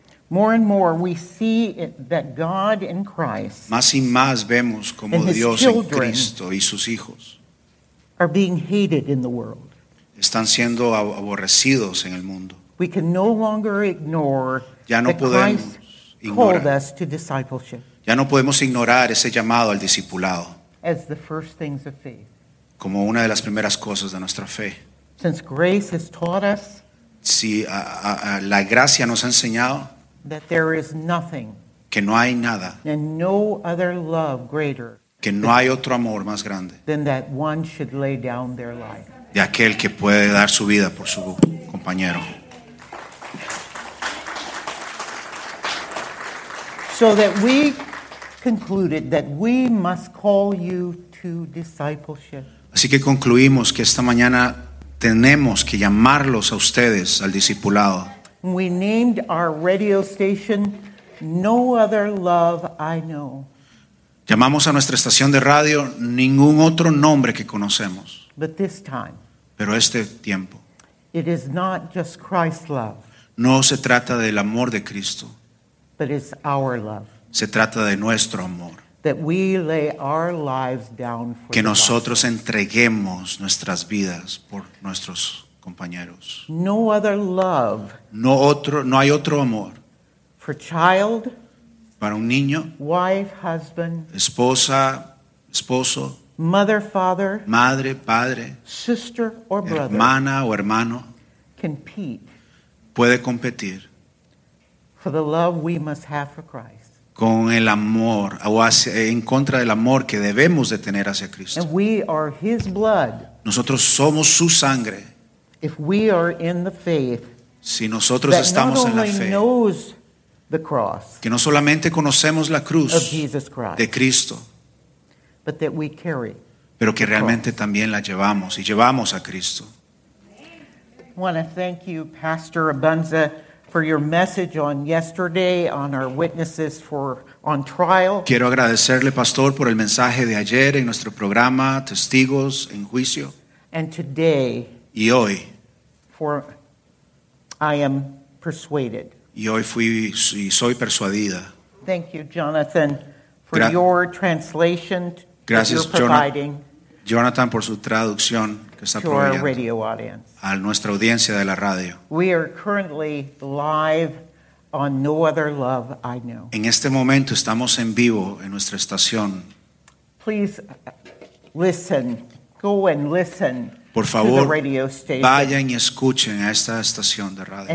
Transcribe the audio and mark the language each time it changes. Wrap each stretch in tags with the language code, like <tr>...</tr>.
<en>More and more we see it, that God in Christ.</en> <es>Más y más vemos como Dios en Cristo y sus hijos.</es> <en>Are being hated in the world.</en> <es>Están siendo aborrecidos en el mundo.</es> <en>We can no longer ignore.</en> <es>Ya no podemos ignorar.</es> <en>Called us to discipleship.</en> <es>Ya no podemos ignorar ese llamado al discipulado.</es> <en>As the first things of faith.</en> <es>Como una de las primeras cosas de nuestra fe.</es> <en>Since grace has taught us,</en> <es>si, la gracia nos ha enseñado,</es> <en>that there is nothing,</en> <es>que no hay nada,</es> <en>and no other love greater,</en> <es>que no hay otro amor más grande,</es> <en>than that one should lay down their life,</en> <es>de aquel que puede dar su vida por su compañero,</es> <en>so that we concluded that we must call you to discipleship.</en> <es>Así que concluimos que esta mañana tenemos que llamarlos a ustedes al discipulado.</es> <en>We named our radio station No Other Love I Know.</en> <es>Llamamos a nuestra estación de radio ningún otro nombre que conocemos.</es> <en>But this time,</en> <es>pero este tiempo.</es> <en>It is not just Christ's love.</en> <es>No se trata del amor de Cristo.</es> <en>But it's our love.</en> <es>Se trata de nuestro amor.</es> <en>That we lay our lives down for</en> <es>que nosotros entreguemos nuestras vidas por nuestros compañeros.</es> <en>No other love.</en> <es>No otro, no hay otro amor.</es> <en>For child.</en> <es>Para un niño.</es> <en>Wife, husband.</en> <es>Esposa, esposo.</es> <en>Mother, father.</en> <es>Madre, padre.</es> <en>Sister or brother.</en> <es>Hermana o hermano.</es> <en>Compete.</en> <es>Puede competir.</es> <en>For the love we must have for Christ.</en> <es>con el amor o hacia, en contra del amor que debemos de tener hacia Cristo.</es> <en>And we are his blood.</en> <es>Nosotros somos su sangre.</es> <en>If we are in the faith,</en> <es>si nosotros estamos en la fe,</es> <en>knows the cross</en> <es>que no solamente conocemos la cruz</es> <en>of Jesus Christ,</en> <es>de Cristo,</es> <en>but that we carry,</en> <es>pero que realmente</es> <en>the cross</en> <es>también la llevamos y llevamos a Cristo.</es> <en>I want to thank you, Pastor Abunza, for your message on yesterday on our witnesses for on trial.</en> <es>Quiero agradecerle, Pastor, por el mensaje de ayer en nuestro programa Testigos en Juicio.</es> <en>And today,</en> <es>y hoy,</es> <en>for I am persuaded.</en> <es>Y hoy fui y soy persuadida.</es> <en>Thank you, Jonathan, for your translation.</en> <es>Gracias,</es> <en>that you're providing</en> <es>Jonathan, por su traducción que está</es> <en>to our radio audience.</en> <es>A nuestra audiencia de la radio.</es> <en>We are currently live on No Other Love I Know.</en> <es>En este momento estamos en vivo en nuestra estación.</es> <en>Please listen. Go and listen.</en> <es>Por favor,</es> <en>to the radio station.</en> <es>Vayan y escuchen a esta estación de radio.</es>